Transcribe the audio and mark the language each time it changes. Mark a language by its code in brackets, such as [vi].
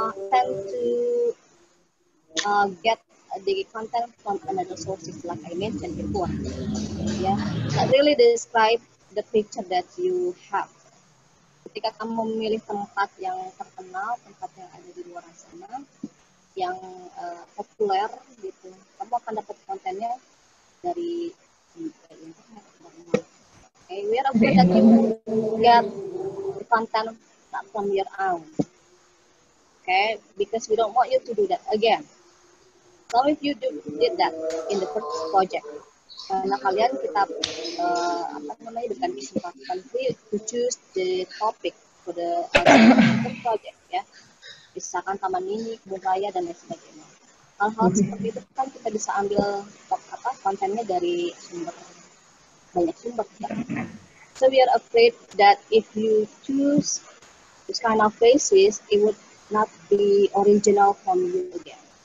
[en] We'll tend to get the content from another sources like I mentioned before. Yeah, that really describe the picture that you have. [id] Ketika kamu memilih tempat yang terkenal, tempat yang ada di luar sana, yang populer gitu, kamu akan dapat kontennya dari internet. [en] Okay, we are afraid that you get the content not from your own. Okay, because we don't want you to do that again. So if you did that in the first project, [id] karena kalian kita berikan kesempatan [en] to choose the topic for the first project, ya. Yeah. [id] Misalkan taman mini, kebun raya dan lain sebagainya. Hal-hal seperti itu kan kita bisa ambil kontennya dari sumber. [en] So we are afraid that if you choose this kind of places, it would not be original from you again.